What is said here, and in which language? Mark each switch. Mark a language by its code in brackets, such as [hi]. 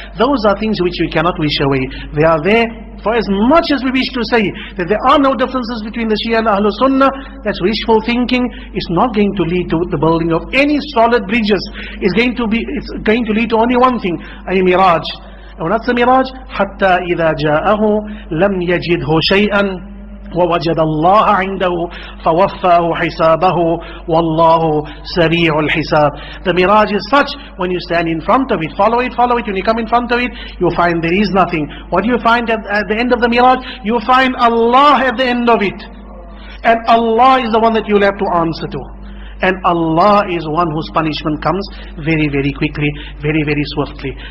[en] Those are things which we cannot wish away. They are there. For as much as we wish to say that there are no differences between the Shia and Ahlul Sunnah, that's wishful thinking. It's not going to lead to the building of any solid bridges. It's going to lead to only one thing, a mirage. And when that's a mirage, [ar] حَتَّى إِذَا جَاءَهُ لَمْ يَجِدْهُ شَيْئًا وَوَجَدَ اللَّهَ عِنْدَهُ فَوَفَّاهُ حِسَابَهُ وَاللَّهُ سَرِيعُ الْحِسَابِ. [en] The mirage is such, when you stand in front of it, follow it, when you come in front of it, you find there is nothing. What do you find at the end of the mirage? You find Allah at the end of it. And Allah is the one that you'll have to answer to. And Allah is one whose punishment comes very, very quickly, very, very swiftly.